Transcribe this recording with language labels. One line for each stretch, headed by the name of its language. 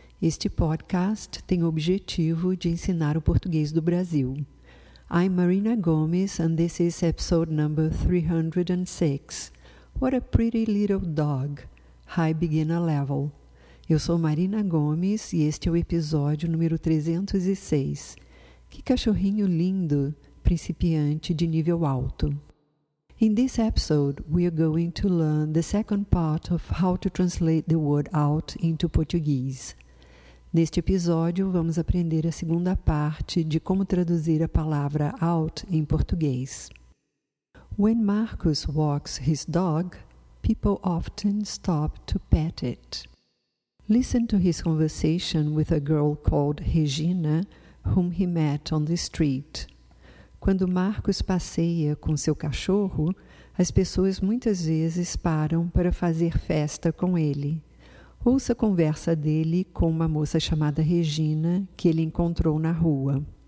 Portuguese: Este podcast tem o objetivo de ensinar o português do Brasil.
English: I'm Marina Gomes, and this is episode number 306. What a pretty little dog. High beginner level.
Portuguese: Eu sou Marina Gomes e este é o episódio número 306. Que cachorrinho lindo! Principiante de nível alto.
English: In this episode, we are going to learn the second part of how to translate the word out into Portuguese.
Portuguese: Neste episódio, vamos aprender a segunda parte de como traduzir a palavra out em português.
English: When Marcus walks his dog, people often stop to pet it. Listen to his conversation with a girl called Regina, whom he met on the street.
Portuguese: Quando Marcus passeia com seu cachorro, as pessoas muitas vezes param para fazer festa com ele. Ouça a conversa dele com uma moça chamada Regina, que ele encontrou na rua.